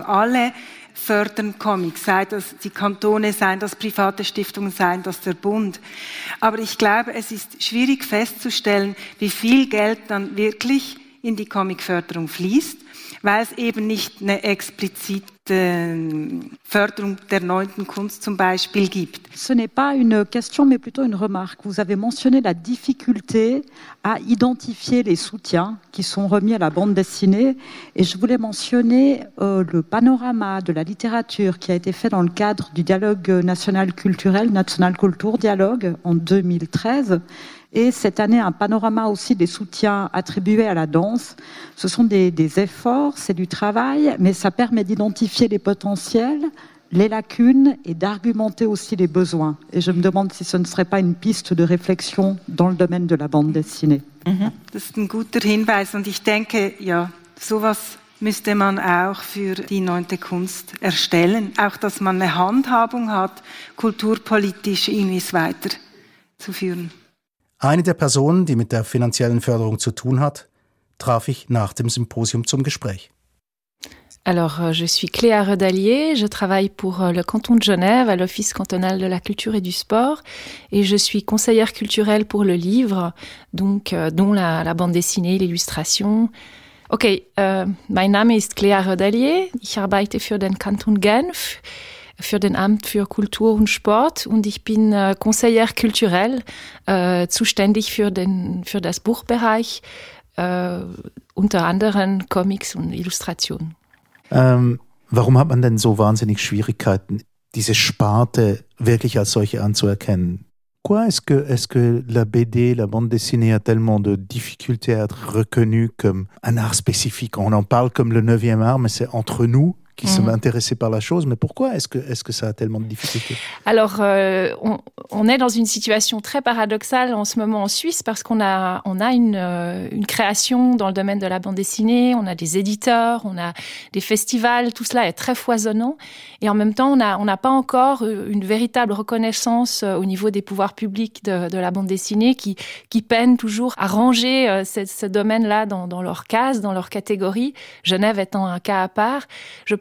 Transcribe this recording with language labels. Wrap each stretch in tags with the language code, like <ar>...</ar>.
<de>Alle fördern Comics, sei das die Kantone, seien das private Stiftungen, seien das der Bund. Aber ich glaube, es ist schwierig festzustellen, wie viel Geld dann wirklich in die Comicförderung fließt, weil es eben nicht eine explizite Förderung der neunten Kunst zum Beispiel gibt.</de> <fr>Ce n'est pas une question, mais plutôt une remarque. Vous avez mentionné la difficulté à identifier les soutiens qui sont remis à la bande dessinée. Et je voulais mentionner le panorama de la littérature qui a été fait dans le cadre du dialogue national culturel,</fr> <en>National Culture Dialogue,</en> <fr>en 2013. Et cette année, un panorama aussi des soutiens attribués à la danse. Ce sont des efforts, c'est du travail, mais ça permet d'identifier les potentiels, les lacunes et d'argumenter aussi les besoins. Et je me demande si ce ne serait pas une piste de réflexion dans le domaine de la bande dessinée.</fr> <de>Das ist ein guter Hinweis. Und ich denke, ja, sowas müsste man auch für die neunte Kunst erstellen. Auch, dass man eine Handhabung hat, kulturpolitisch irgendwie weiter zu führen. Eine der Personen, die mit der finanziellen Förderung zu tun hat, traf ich nach dem Symposium zum Gespräch.</de> <fr>Alors, je suis Cléa Redallier, je travaille pour le canton de Genève à l'Office cantonal de la culture et du sport et je suis conseillère culturelle pour le livre, donc dont la bande dessinée, l'illustration.</fr> <de>Okay, mein Name ist Cléa Redallier, ich arbeite für den Kanton Genf, für den Amt für Kultur und Sport und ich bin</de> <fr>conseillère culturelle,</fr> <de>zuständig für das Buchbereich, unter anderem Comics und Illustrationen. Warum hat man denn so wahnsinnig Schwierigkeiten, diese Sparte wirklich als solche anzuerkennen?</de> <fr>Quoi est-ce que la BD, la bande dessinée a tellement de difficulté à être reconnue comme un art spécifique? On en parle comme le 9e art, mais c'est entre nous qui sommes intéressés par la chose, mais pourquoi est-ce que ça a tellement de difficultés? Alors, on est dans une situation très paradoxale en ce moment en Suisse, parce qu'on a, une création dans le domaine de la bande dessinée, on a des éditeurs, on a des festivals, tout cela est très foisonnant, et en même temps, on n'a pas encore une véritable reconnaissance au niveau des pouvoirs publics de la bande dessinée, qui peinent toujours à ranger ce domaine-là dans leur case, dans leur catégorie, Genève étant un cas à part. Je</fr>